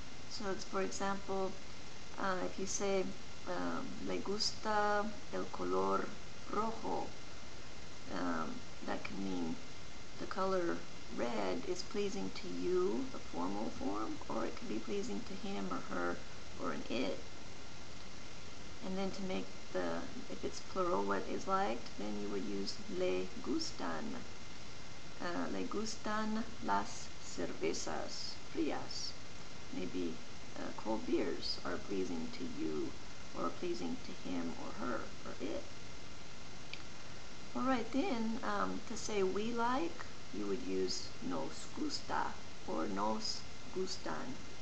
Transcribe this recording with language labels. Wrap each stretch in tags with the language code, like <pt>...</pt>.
<en>So it's, for example, if you say</en> <es>le gusta el color rojo,</es> <en>that can mean the color red is pleasing to you, the formal form, or it could be pleasing to him or her or an it. And then to make the, if it's plural, what is liked, then you would use</en> <es>le gustan. Le gustan las cervezas frías.</es> <en>Maybe cold beers are pleasing to you or pleasing to him or her or it. Alright, then, to say we like, you would use</en> <es>nos gusta</es> <en>or</en> <es>nos gustan.</es>